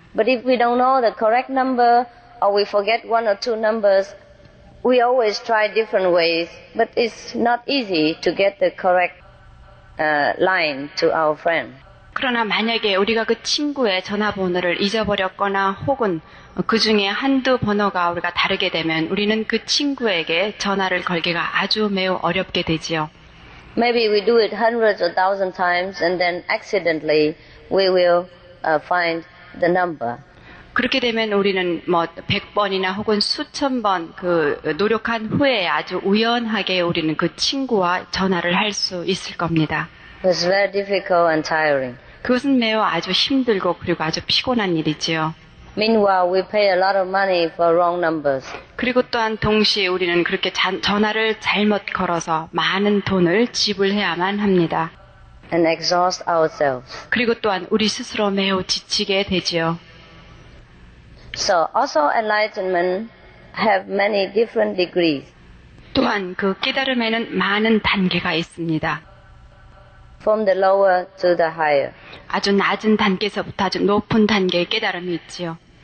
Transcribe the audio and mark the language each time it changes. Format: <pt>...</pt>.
<en>But if we don't know the correct number or we forget one or two numbers, we always try different ways. But it's not easy to get the correct line to our friend.</en> <ko>그러나 만약에 우리가 그 친구의 전화번호를 잊어버렸거나 혹은 그 중에 한두 번호가 우리가 다르게 되면 우리는 그 친구에게 전화를 걸기가 아주 매우 어렵게 되지요.</ko> <en>Maybe we do it hundreds or thousand times and then accidentally we will find the number.</en> <ko>그렇게 되면 우리는 뭐 100번이나 혹은 수천 번 그 노력한 후에 아주 우연하게 우리는 그 친구와 전화를 할 수 있을 겁니다.</ko> <en>It's very difficult and tiring.</en> <ko>그것은 매우 아주 힘들고 그리고 아주 피곤한 일이지요.</ko> <en>Meanwhile, we pay a lot of money for wrong numbers.</en> <ko>그리고 또한 동시에 우리는 그렇게 전화를 잘못 걸어서 많은 돈을 지불해야만 합니다.</ko> <en>And exhaust ourselves.</en> <ko>그리고 또한 우리 스스로 매우 지치게 되지요.</ko> <en>So, also enlightenment have many different degrees.</en> <ko>또한 그 깨달음에는 많은 단계가 있습니다.</ko> <en>From the lower to the higher.</en> <ko>아주 낮은 단계에서부터 아주 높은 단계의 깨달음이 있지요.</ko>